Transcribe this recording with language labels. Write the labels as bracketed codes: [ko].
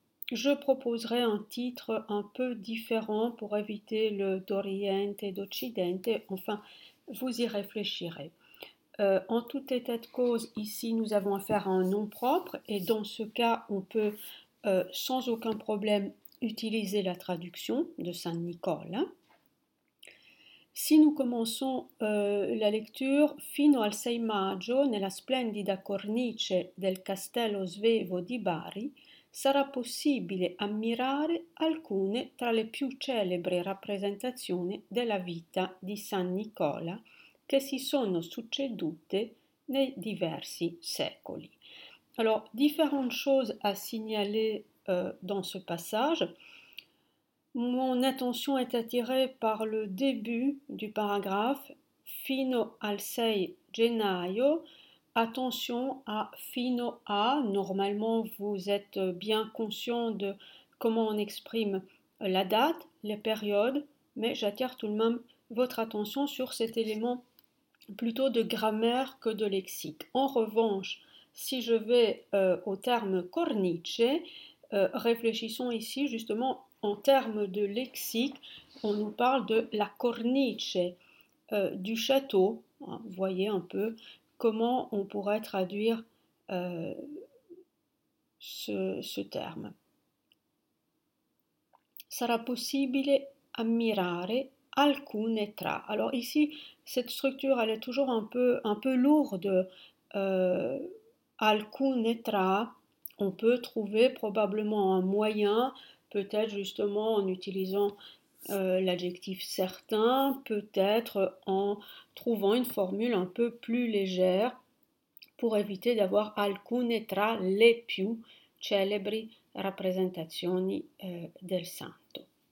[fr] Je proposerai un titre un peu différent pour éviter le d'Oriente et d'Occidente. Enfin, vous y réfléchirez. En tout état de cause, ici, nous avons affaire à un nom propre et dans ce cas, on peut sans aucun problème utiliser la traduction de Saint-Nicolas. Si nous commençons la lecture, [it] fino al 6 maggio, nella splendida cornice del Castello Svevo di Bari, sarà possibile ammirare alcune tra le più celebri rappresentazioni della vita di San Nicola che si sono succedute nei diversi secoli. [fr] Alors, différentes choses à signaler dans ce passage. Mon attention est attirée par le début du paragraphe [it] fino al 6 gennaio. [fr] Attention à fino a. Normalement, vous êtes bien conscient de comment on exprime la date, les périodes, mais j'attire tout de même votre attention sur cet élément plutôt de grammaire que de lexique. En revanche, si je vais au terme cornice, réfléchissons ici justement en termes de lexique. On nous parle de la cornice du château. Hein, voyez un peu comment on pourrait traduire ce terme. [it] Sarà possibile ammirare alcune tra. [fr] Alors ici, cette structure, elle est toujours un peu lourde. Alcune tra, on peut trouver probablement un moyen, peut-être justement en utilisant l'adjectif certain, peut-être en trouvant une formule un peu plus légère pour éviter d'avoir [it] alcune tra le più celebri rappresentazioni del santo.